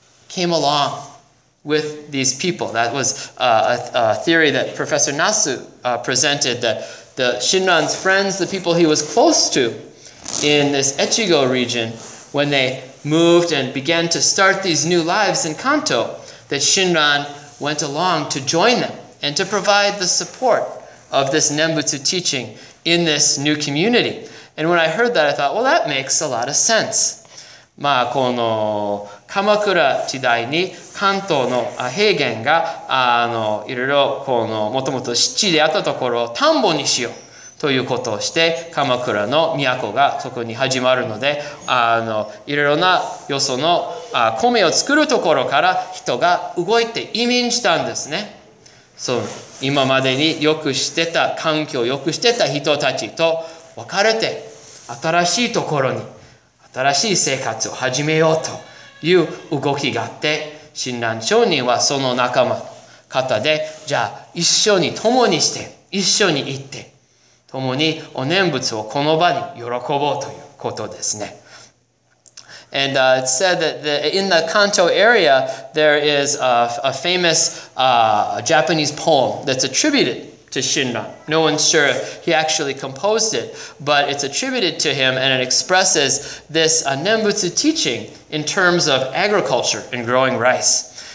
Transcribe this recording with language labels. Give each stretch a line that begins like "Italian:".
English: came along with these people. That was a theory that Professor Nasu presented, that the Shinran's friends, the people he was close to in this Echigo region, when they moved and began to start these new lives in Kanto, that Shinran went along to join them and to provide the support of this Nembutsu teaching in this new community. And when I heard that, I thought, well, that makes a lot of sense.
Japanese: まあ、この鎌倉時代に関東の平原がいろいろこのもともと湿地であったところを田んぼにしようということをして鎌倉の都がそこに始まるのでいろいろなよその米を作るところから人が動いて移民したんですね。そう、今までによくしてた環境をよくしてた人たちと別れて新しいところに新しい生活を始めようという動きがあって、親鸞聖人はその仲間方で、じゃあ一緒に共にして、一緒に行って、共にお念仏をこの場に喜ぼうということですね。
English: And it's said that in the Kanto area, there is a famous Japanese poem that's attributed to Shinran. No one's sure if he actually composed it, but it's attributed to him and it expresses this Nembutsu teaching in terms of agriculture and growing rice.